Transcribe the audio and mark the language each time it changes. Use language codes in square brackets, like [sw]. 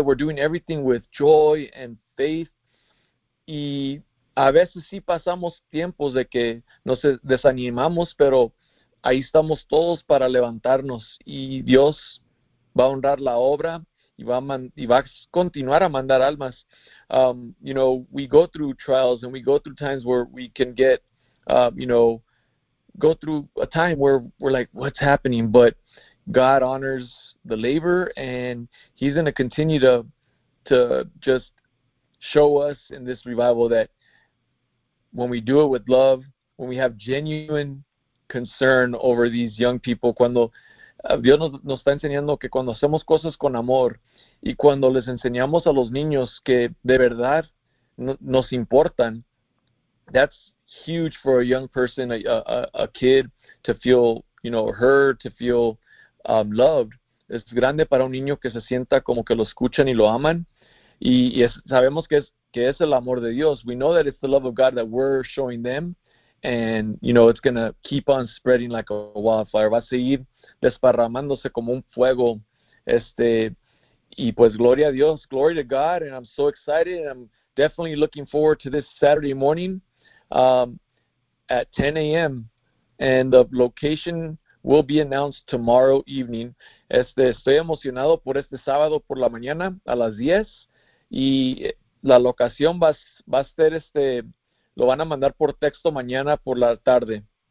[en] We're doing everything with joy and faith. [es] Y a veces sí pasamos tiempos de que nos desanimamos, pero ahí estamos todos para levantarnos y Dios va a honrar la obra. Y va a continuar a mandar almas. [en] We go through trials and we go through times where we can get, go through a time where we're like, what's happening? But God honors the labor, and he's going to continue to just show us in this revival that when we do it with love, when we have genuine concern over these young people, [es] cuando Dios nos está enseñando que cuando hacemos cosas con amor y cuando les enseñamos a los niños que de verdad nos importan, [en] that's huge for a young person, a kid, to feel, you know, heard, to feel loved. [es] Es grande para un niño que se sienta como que lo escuchan y lo aman. Y es, sabemos que es el amor de Dios. [en] We know that it's the love of God that we're showing them. And, you know, it's going to keep on spreading like a wildfire. [es] Va a seguir desparramándose como un fuego. Y pues, gloria a Dios. [en] Glory to God. And I'm so excited. And I'm definitely looking forward to this Saturday morning at 10 a.m. And the location will be announced tomorrow evening. [es] Estoy emocionado por este sábado por la mañana a las 10. Y la locación va a ser lo van a mandar por texto mañana por la tarde.